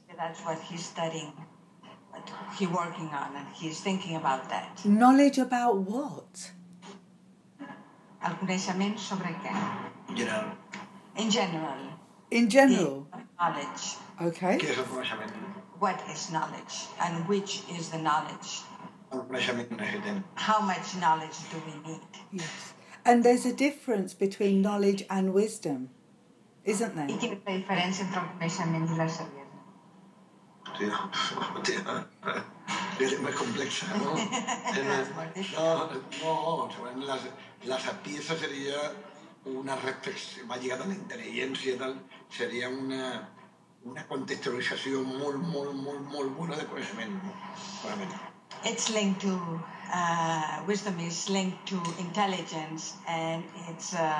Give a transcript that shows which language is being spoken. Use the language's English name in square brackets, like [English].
[English] That's what he's studying, what he's working on, and he's thinking about that. Knowledge about what? [Catalan] El coneixement sobre què? [English] In general. In general? Knowledge. Okay. [Catalan] Què és el coneixement? [English] What is knowledge, and which is the knowledge? [Catalan] El coneixement necessitem. [English] How much knowledge do we need? Yes. And there's a difference between knowledge and wisdom. Isn't there? [Catalan] I quina és la diferència entre el coneixement i la saviesa? Tia, és més complexa, no? La saviesa seria una reflexió, va lligada a la intel·ligència i tal, seria una contextualització molt bona de coneixement. [English] It's linked to, wisdom is linked to intelligence and it's...